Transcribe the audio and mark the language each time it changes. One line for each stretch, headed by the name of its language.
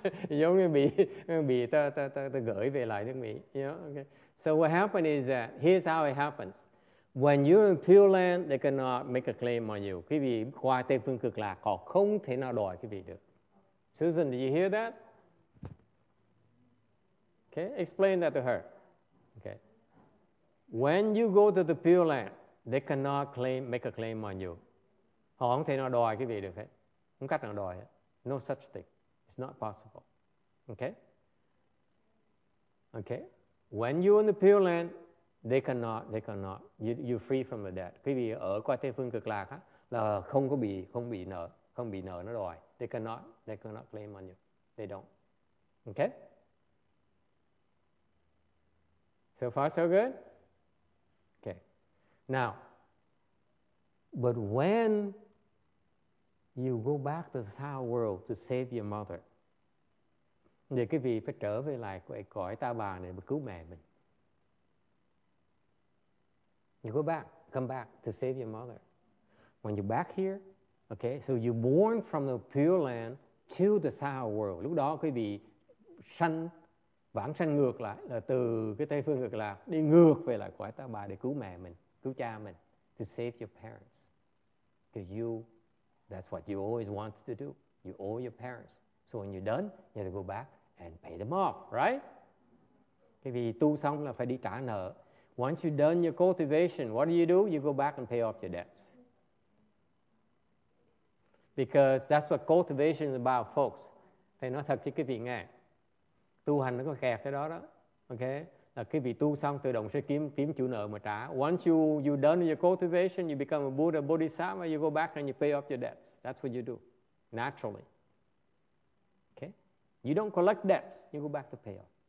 Vietnamese: Giống như bị ta gửi về lại nước Mỹ.
English: Yeah, okay. So what happened is that, here's how it happens. When you're in Pure Land, they cannot make a claim on you.
Vietnamese: Quý vị qua Tây Phương Cực Lạc, họ không thể nào đòi quý vị được.
English: Susan, did you hear that? Okay, explain that to her. Okay. When you go to the Pure Land, they cannot make a claim on you.
Vietnamese: Họ không thể nào đòi quý vị được hết. Không cách nào đòi hết.
English: No such thing. It's not possible. Okay? Okay? When you're in the Pure Land, they cannot. You're free from the debt.
Vietnamese: Quý vị ở qua Tây Phương Cực Lạc á, là không bị nợ nó đòi.
English: They cannot claim on you. They don't. Okay? So far, so good? Okay. Now, but when you go back to the Sao world to save your mother,
Vietnamese: thì quý vị phải trở về lại cõi ta bà này và cứu mẹ mình.
English: You go back, come back to save your mother. When you're back here, okay, so you're born from the Pure Land to the Saha world.
Vietnamese: Lúc đó quý vị sanh, vãng sanh ngược lại, là từ cái Tây Phương Cực Lạc đi ngược về lại cõi ta bà để cứu mẹ mình, cứu cha mình,
English: to save your parents. Because that's what you always wanted to do. You owe your parents. So when you're done, you have to go back and pay them off, right?
Vietnamese: Quý vị tu xong là phải đi trả nợ.
English: Once you've done your cultivation, what do? You go back and pay off your debts. Because that's what cultivation is about, folks.
Vietnamese: Thầy nói thật cho quý vị nghe. Tu hành nó có kẹt cái đó. Okay? Là quý vị tu xong, tự động sẽ kiếm chủ nợ mà trả.
English: Once you done your cultivation, you become a Buddha, Bodhisattva, you go back and you pay off your debts. That's what you do, naturally. Okay? You don't collect debts, you go back to pay off.